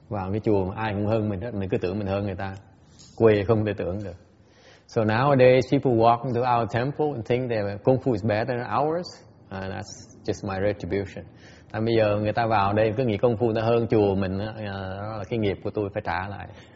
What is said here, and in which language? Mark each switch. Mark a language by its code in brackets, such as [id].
[vi] Vào cái chùa mà ai cũng hơn mình hết, mình cứ tưởng mình hơn người ta. Quê không thể tưởng được. [en] So nowadays people walk into our temple and think their kung fu is better than ours. And that's just my retribution. [vi] Tại bây giờ người ta vào đây cứ nghĩ kung fu nó hơn chùa mình, đó là cái nghiệp của tôi phải trả lại.